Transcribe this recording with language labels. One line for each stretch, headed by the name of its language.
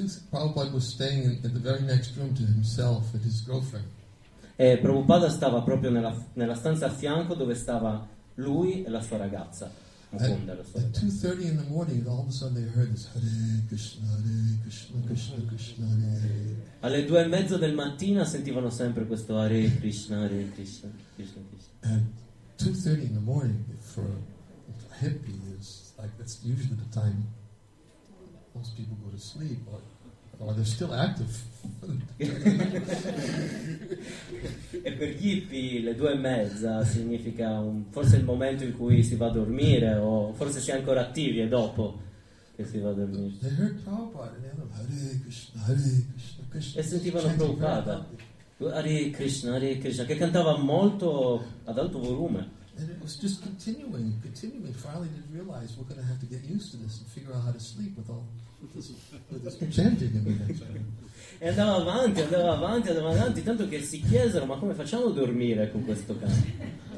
English: Prabhupada was staying in the very next room to himself with his girlfriend.
Italian: E Prabhupada stava proprio nella stanza a fianco dove stava lui e la sua ragazza.
English: At 2:30 in the morning, all of a sudden they heard this Hare Krishna, Hare Krishna, Krishna Krishna, Hare.
Italian: Alle 2:30 del mattino sentivano sempre questo Hare Krishna, Hare Krishna, Krishna Krishna.
English: At 2:30 in the morning, for a hippie, is like that's usually the time most people go to sleep, or they're still active.
Italian: E per gli hippie le 2:30 significa forse il momento in cui si va a dormire o forse si è ancora attivi e dopo che si va a dormire.
English: They heard Prabhupada and they were, Hare Krishna, Hare Krishna, Krishna.
Italian: E sentivano Prabhupada Hare Krishna che cantava molto ad alto volume.
English: And it was just continuing. Finally they realized we're going to have to get used to this and figure out how to sleep with all with this chanting in the next
Italian: E andava avanti, tanto che si chiesero, ma come facciamo a dormire con questo cane?